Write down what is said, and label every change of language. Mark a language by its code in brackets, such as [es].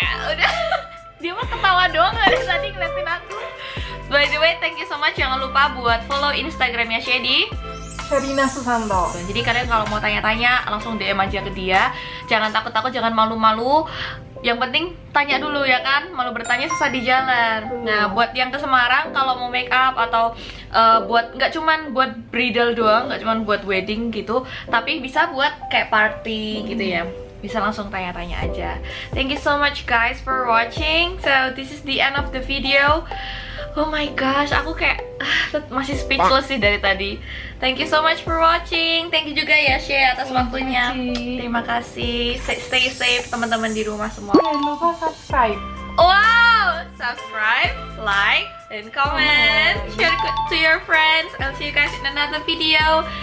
[id] Udah. Dia mah ketawa doang dari tadi ngeliatin aku. [en] By the way, thank you so much. [id] Jangan lupa buat follow Instagramnya Shady Sabrina Susanto. Jadi kalian kalau mau tanya-tanya langsung DM aja ke dia. Jangan takut-takut, jangan malu-malu. Yang penting tanya dulu ya kan, malu bertanya susah di jalan. Nah buat yang ke Semarang kalau mau make up atau buat nggak cuman buat bridal doang, nggak cuman buat wedding gitu, tapi bisa buat kayak party gitu ya, bisa langsung tanya-tanya aja. [en] Thank you so much guys for watching. So this is the end of the video. Oh my gosh, [id] aku kayak masih speechless sih dari tadi. [en] Thank you so much for watching. Thank you [id] juga ya Shay atas waktunya. Terima kasih. [en] Stay safe [id] teman-teman di rumah semua. Jangan lupa subscribe. [en] Wow, subscribe, like, and comment. Share to your friends. I'll see you guys in another video.